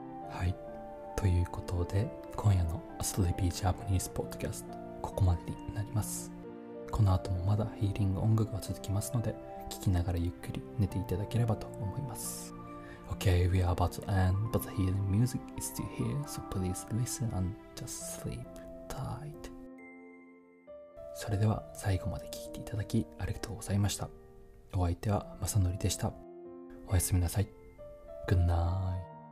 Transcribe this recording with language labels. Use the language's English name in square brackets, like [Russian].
[Japanese] はい、ということで今夜のアストレビージャパニーズポッドキャスト、ここまでになります。この後もまだヒーリング音楽は続きますので、聞きながらゆっくり寝ていただければと思います。 [English] Okay, we are about to end, but the healing music is still here, so please listen and just sleep tight. [Japanese] それでは最後まで聞いていただきありがとうございました。お相手は正則でした。おやすみなさい。 [English] Good night.